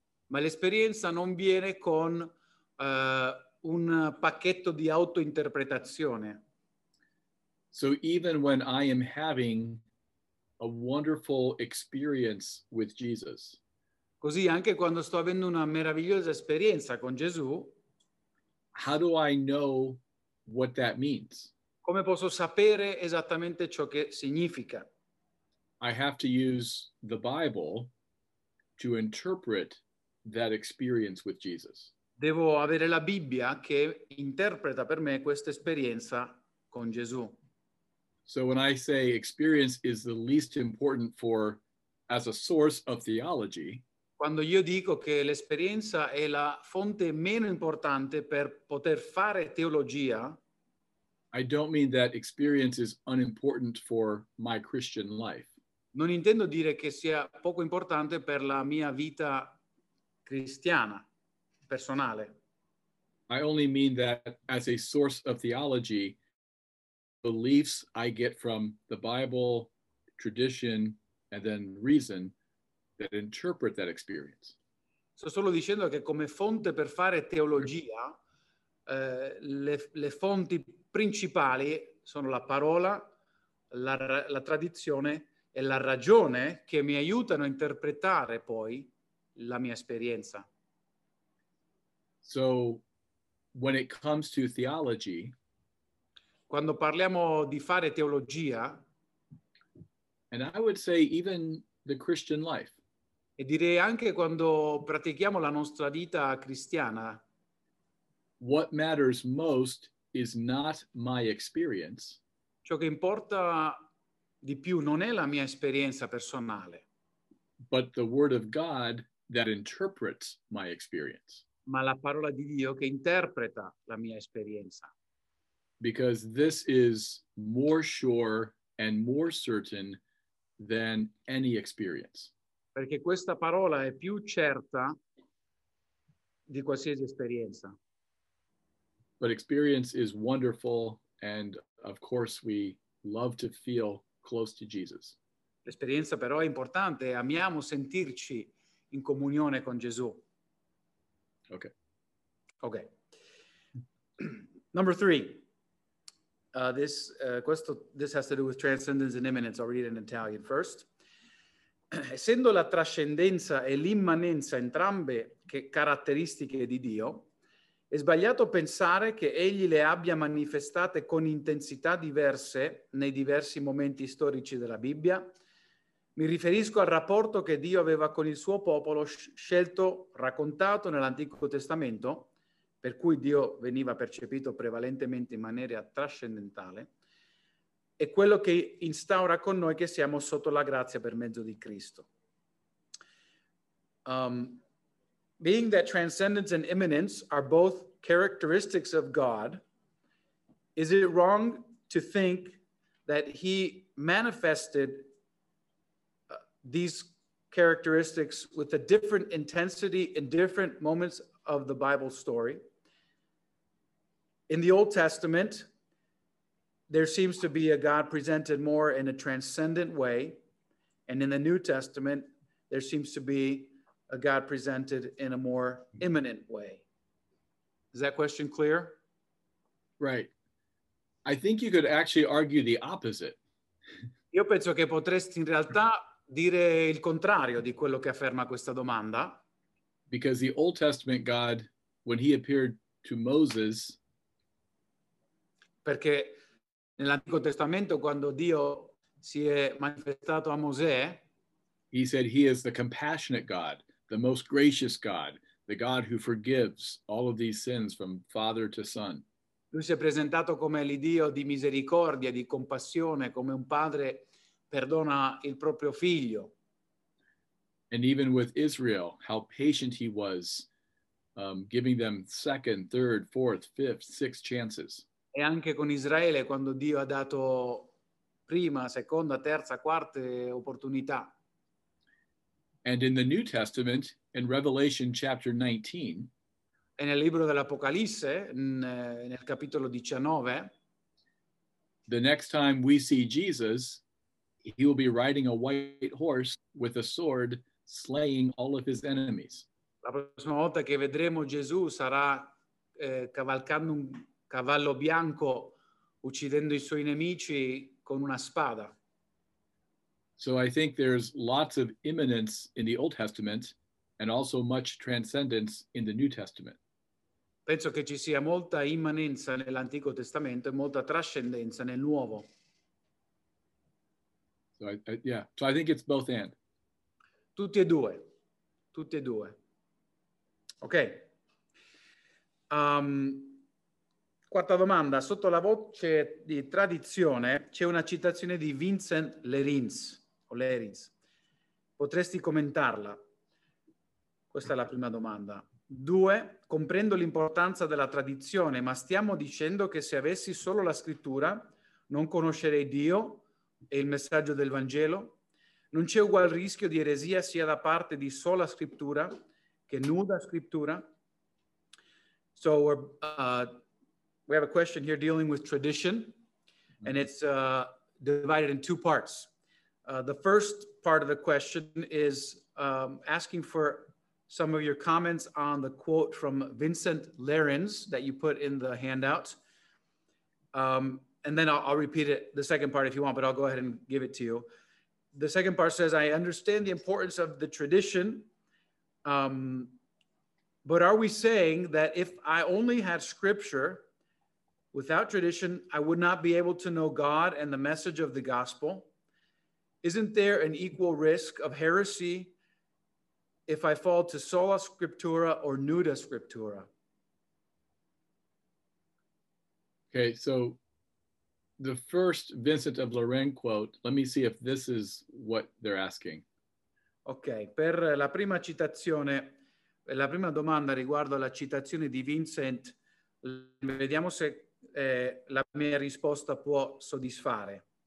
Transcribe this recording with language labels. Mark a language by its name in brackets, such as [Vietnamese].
[Italian] Ma l'esperienza non viene con un pacchetto di autointerpretazione. [English] So even when I am having a wonderful experience with Jesus. [Italian] Così anche quando sto avendo una meravigliosa esperienza con Gesù. [English] How do I know what that means? [Italian] Come posso sapere esattamente ciò che significa? [English] I have to use the Bible to interpret that experience with Jesus. [Italian] Devo avere la Bibbia che interpreta per me questa esperienza con Gesù. [English] So when I say experience is the least important for as a source of theology, [Italian] quando io dico che l'esperienza è la fonte meno importante per poter fare teologia, [English] I don't mean that experience is unimportant for my Christian life. [Italian] Non intendo dire che sia poco importante per la mia vita cristiana, personale. [English] I only mean that as a source of theology, beliefs I get from the Bible, tradition, and then reason that interpret that experience. [Italian] Sto solo dicendo che come fonte per fare teologia, le fonti principali sono la parola, la tradizione, è la ragione che mi aiutano a interpretare poi la mia esperienza. [English] So when it comes to theology, [Italian] quando parliamo di fare teologia, [English] and I would say even the Christian life, [Italian] e direi anche quando pratichiamo la nostra vita cristiana, [English] what matters most is not my experience. [Italian] Ciò che importa di più non è la mia esperienza personale, [English] but the word of God that interprets my experience. [Italian] Ma la parola di Dio che interpreta la mia esperienza. [English] Because this is more sure and more certain than any experience. [Italian] Perché questa parola è più certa di qualsiasi esperienza. [English] But experience is wonderful, and of course we love to feel close to Jesus. [Italian] L'esperienza però è importante, amiamo sentirci in comunione con Gesù. [English] Okay. Okay. Number three. This has to do with transcendence and immanence. I'll read it in Italian first. [Italian] Essendo la trascendenza e l'immanenza entrambe che caratteristiche di Dio, è sbagliato pensare che egli le abbia manifestate con intensità diverse nei diversi momenti storici della Bibbia. Mi riferisco al rapporto che Dio aveva con il suo popolo scelto, raccontato nell'Antico Testamento, per cui Dio veniva percepito prevalentemente in maniera trascendentale, e quello che instaura con noi che siamo sotto la grazia per mezzo di Cristo. [English] Being that transcendence and immanence are both characteristics of God, is it wrong to think that he manifested these characteristics with a different intensity in different moments of the Bible story? In the Old Testament, there seems to be a God presented more in a transcendent way, and in the New Testament, there seems to be a God presented in a more immanent way. Is that question clear? Right. I think you could actually argue the opposite. [Italian] Io penso che potresti in realtà dire il contrario di quello che afferma questa domanda. [English] Because the Old Testament God, when he appeared to Moses, [Italian] perché nell'Antico Testamento quando Dio si è manifestato a Mosè, [English] he said he is the compassionate God, the most gracious God, the God who forgives all of these sins from father to son. [Italian] Lui si è presentato come l'Iddio di misericordia, di compassione, come un padre perdona il proprio figlio. [English] And even with Israel, how patient he was, giving them second, third, fourth, fifth, sixth chances. [Italian] E anche con Israele, quando Dio ha dato prima, seconda, terza, quarta opportunità. [English] And in the New Testament, in Revelation chapter 19, [Italian] e nel libro dell'Apocalisse, nel capitolo 19, [English] the next time we see Jesus, he will be riding a white horse with a sword, slaying all of his enemies. [Italian] La prossima volta che vedremo Gesù sarà cavalcando un cavallo bianco, uccidendo i suoi nemici con una spada. [English] So I think there's lots of immanence in the Old Testament and also much transcendence in the New Testament. [Italian] Penso che ci sia molta immanenza nell'Antico Testamento e molta trascendenza nel Nuovo. [English] So I think it's both and. [Italian] Tutti e due. Tutti e due. Ok. Quarta domanda. Sotto la voce di tradizione c'è una citazione di Vincent Lerins. O Lerins. Potresti commentarla? Questa è la prima domanda. Due. Comprendo l'importanza della tradizione, ma stiamo dicendo che se avessi solo la scrittura non conoscerei Dio e il messaggio del Vangelo? Non c'è ugual rischio di eresia sia da parte di sola scrittura che nuda scrittura? [English] So we have a question here dealing with tradition, and it's divided in two parts. The first part of the question is asking for some of your comments on the quote from Vincent Lerins that you put in the handout. And then I'll repeat it, the second part if you want, but I'll go ahead and give it to you. The second part says, I understand the importance of the tradition, But are we saying that if I only had scripture without tradition, I would not be able to know God and the message of the gospel? Isn't there an equal risk of heresy if I fall to sola scriptura or nuda scriptura? Okay, so the first Vincent of Lorraine quote, let me see if this is what they're asking. [Italian] Okay, per la prima citazione, la prima domanda riguardo la citazione di Vincent, vediamo se la mia risposta può soddisfare.